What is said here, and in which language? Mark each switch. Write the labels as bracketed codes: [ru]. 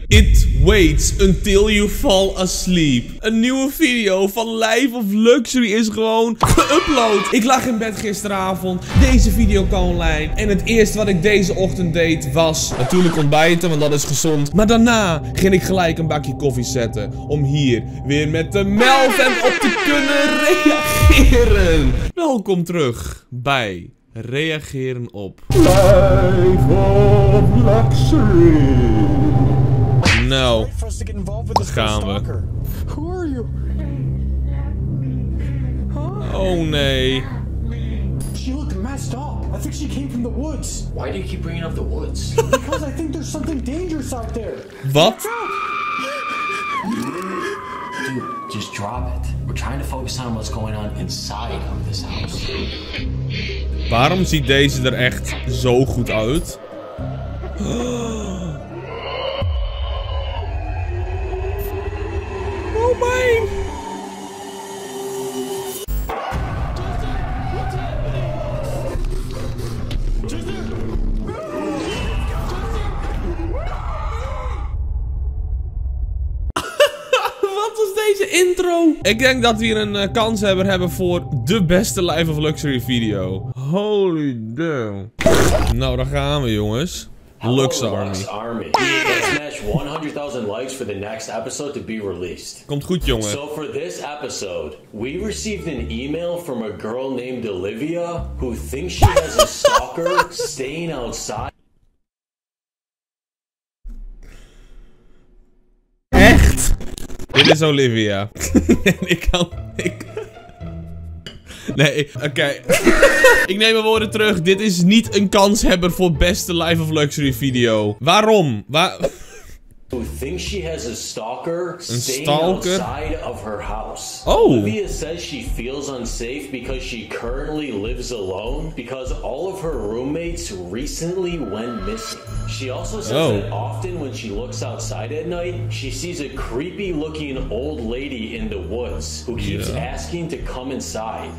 [en] It waits until you fall asleep. [nl] Een nieuwe video van Life of Luxury is gewoon geüpload. Ik lag in bed gisteravond. Deze video kwam online. En het eerste wat ik deze ochtend deed was... natuurlijk ontbijten, want dat is gezond. Maar daarna ging ik gelijk een bakje koffie zetten. Om hier weer met de Melvin op te kunnen reageren. Welkom terug bij... reageren op... Life of Luxury. Nou, gaan we. [en] Who are you? [nl] Oh nee. [en] She looked messed up. I think she came from the woods. Why do you keep bringing up the woods? Because I think there's something dangerous out there. What? Dude, just drop it. We're trying to focus on what's going on inside of this house. [nl] Waarom ziet deze er echt zo goed uit? [en] Oh my! [nl] Intro. Ik denk dat we hier een kanshebber hebben voor de beste Life of Luxury video. [en] Holy damn. [nl] Nou, daar gaan we, jongens. Lux Army. Lux Army. [en] We need to smash 100,000 likes for the next episode to be released. [nl] Komt goed, jongen. [en] So for this episode, we received an email from a girl named Olivia who thinks she has a stalker staying outside. [nl] Dit is Olivia. Ik kan... Ik... Nee, oké. Okay. Ik neem mijn woorden terug. Dit is niet een kanshebber voor beste Life of Luxury video. Waarom? [en] Who thinks she has a stalker staying outside of her house. Oh. Olivia says she feels unsafe because she currently lives alone because all of her roommates recently went missing. She also says that often when she looks outside at night, she sees a creepy looking old lady in the woods who keeps asking to come inside.